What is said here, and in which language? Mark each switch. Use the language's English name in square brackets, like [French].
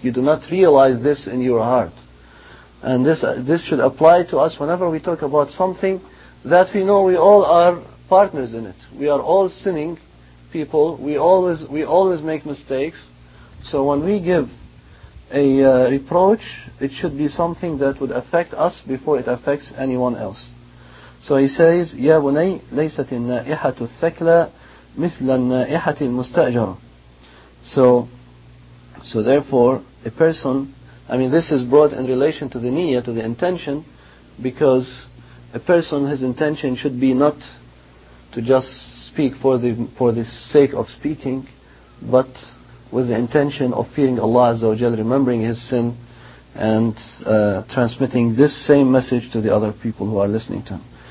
[English] You do not realize this in your heart. And this should apply to us whenever we talk about something that we know we all are partners in it. We are all sinning people. We always make mistakes. So when we give a reproach, it should be something that would affect us before it affects anyone else. So he says, [Arabic] يَا بُنَيْ لَيْسَتِ النَّائِحَةُ الثَّكْلَى مثل النائحة المستأجرة. [English] So therefore, a person, this is brought in relation to the niyyah, to the intention, because a person, his intention should be not to just speak for the sake of speaking, but with the intention of fearing Allah Azza wa Jal, remembering his sin, and transmitting this same message to the other people who are listening to him.